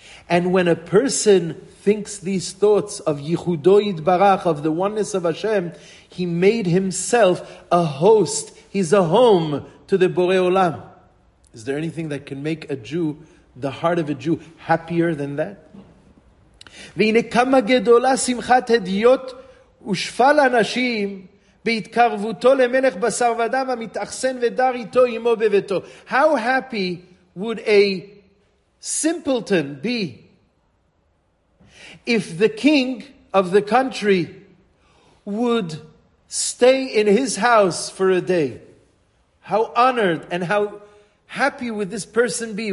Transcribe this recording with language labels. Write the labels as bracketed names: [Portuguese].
[English] And when a person thinks these thoughts of Yichudo Yidbarach, of the oneness of Hashem, he made himself a host. He's a home to the Borei Olam. Is there anything that can make a Jew, the heart of a Jew, happier than that? [Hebrew] והנה כמה גדולה שמחת הדיות ושפל אנשים בהתקרבותו למלך בשר ודם המתאכסן ודר איתו אמו בביתו. [English] How happy would a simpleton be if the king of the country would stay in his house for a day? How honored and how happy would this person be?